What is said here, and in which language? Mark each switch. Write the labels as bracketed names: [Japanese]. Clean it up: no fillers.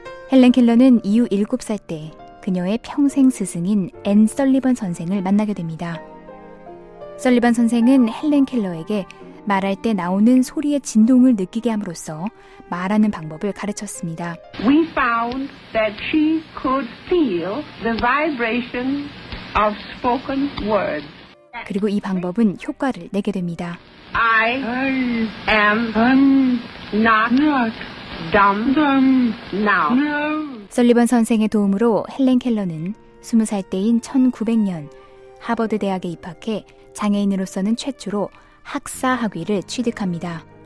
[Korean] 헬렌 켈러는 이후 7살 때 그녀의 평생 스승인 앤 설리번 선생을 만나게 됩니다. 설리번 선생은 헬렌 켈러에게 말할 때 나오는 소리의 진동을 느끼게 함으로써 말하는 방법을 가르쳤습니다. [English] We found that she could feel the vibration of spoken words. [Korean] 그리고 이 방법은 효과를 내게 됩니다. [English] I am not dumb now. [Korean] 설리번 선생의 도움으로 헬렌 켈러는 20살 때인 1900년 하버드 대학에 입학해 장애인으로서는 최초로 학사 학위를 취득합니다.